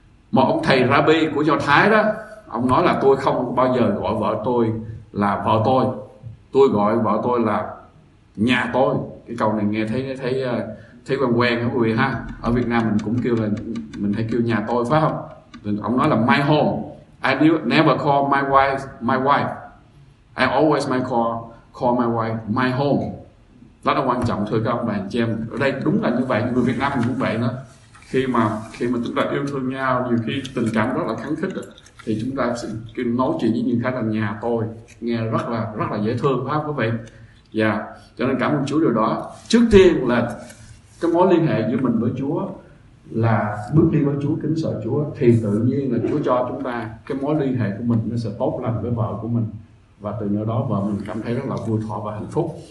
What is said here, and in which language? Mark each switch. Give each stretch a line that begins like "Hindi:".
Vietnamese: Một ông thầy Rabbi của Do Thái đó, ông nói là tôi không bao giờ gọi vợ tôi là vợ tôi gọi vợ tôi là nhà tôi. Cái câu này nghe thấy quen quen á quý vị ha. Ở Việt Nam mình cũng kêu là mình hay kêu nhà tôi, phải không? Ông nói là
English: my home, I never call my wife, I always call my wife my home.
Vietnamese: Đó là quan trọng, thưa các ông bà anh chị em. Ở đây đúng là như vậy, người Việt Nam mình cũng vậy đó. Khi mà chúng ta yêu thương nhau, nhiều khi tình cảm rất là khăng khít đó, thì chúng ta sẽ nói chuyện với những khách là nhà tôi, nghe rất là dễ thương, phải không quý vị? Dạ, cho nên cảm ơn Chúa điều đó. Trước tiên là cái mối liên hệ giữa mình với Chúa, là bước đi với Chúa, kính sợ Chúa, thì tự nhiên là Chúa cho chúng ta cái mối liên hệ của mình nó sẽ tốt lành với vợ của mình, và từ nơi đó vợ mình cảm thấy rất là vui thọ và hạnh phúc.